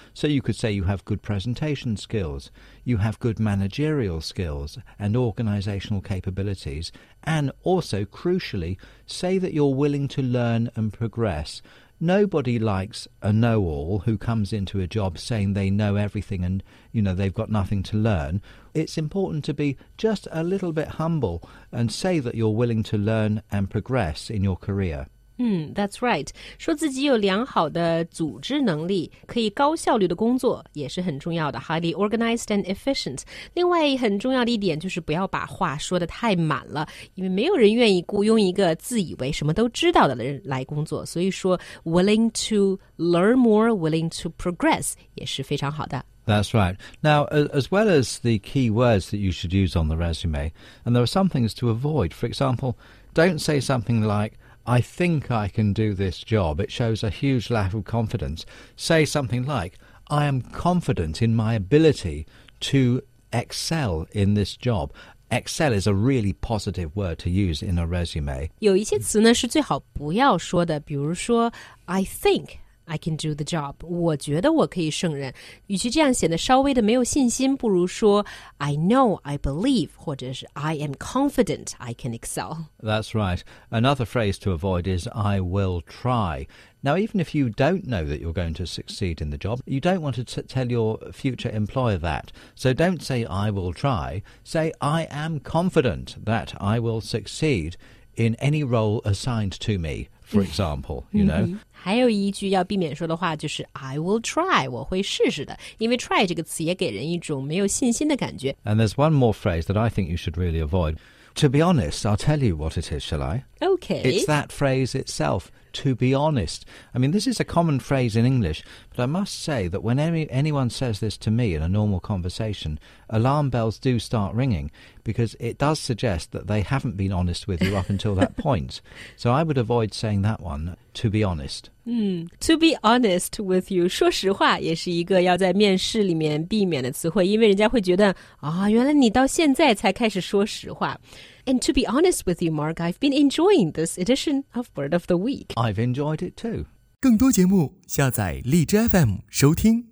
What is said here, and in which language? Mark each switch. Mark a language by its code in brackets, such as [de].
[en] So you could say you have good presentation skills, you have good managerial skills and organizational capabilities, and also, crucially,Say that you're willing to learn and progress. Nobody likes a know-all who comes into a job saying they know everything and, you know, they've got nothing to learn. It's important to be just a little bit humble and say that you're willing to learn and progress in your career. That's right. [zh] 说自己有良好的组织能力，可以高效率的工作也是很重要的。 [en] Highly organized and efficient. [zh] 另外很重要的一点就是不要把话说得太满了，因为没有人愿意雇佣一个自以为什么都知道的人来工作。所以说 [en] willing to learn more, willing to progress [zh] 也是非常好的。 [en] That's right. Now, as well as the key words that you should use on the resume, and there are some things to avoid. For example, don't say something like,I think I can do this job. It shows a huge lack of confidence. Say something like, I am confident in my ability to excel in this job. Excel is a really positive word to use in a resume. [zh] 有一些词呢是最好不要说的，比如说 [en] I think I can do the job. [zh] 我觉得我可以胜任。与其这样显得稍微的没有信心，不如说 [en] I know, I believe, [zh] 或者是 [en] I am confident I can excel. That's right. Another phrase to avoid is I will try. Now, even if you don't know that you're going to succeed in the job, you don't want to tell your future employer that. So don't say I will try. Say I am confident that I will succeed in any role assigned to me. For example, you know. [zh] 还有一句要避免说的话就是 [en] I will try, [zh] 我会试试的。因为 try 这个词也给人一种没有信心的感觉。 [en] And there's one more phrase that I think you should really avoid. To be honest, I'll tell you what it is, shall I? Okay. It's that phrase itself. to be honest. I mean, this is a common phrase in English, but I must say that when anyone says this to me in a normal conversation, alarm bells do start ringing because it does suggest that they haven't been honest with you up until that point. So I would avoid saying that one, to be honest. To be honest with you, [zh] 说实话也是一个要在面试里面避免的词汇，因为人家会觉得，原来你到现在才开始说实话。 [en] And to be honest with you, Mark, I've been enjoying this edition of Word of the Week. I've enjoyed it too. [zh] 更多节目下载荔枝 FM 收听。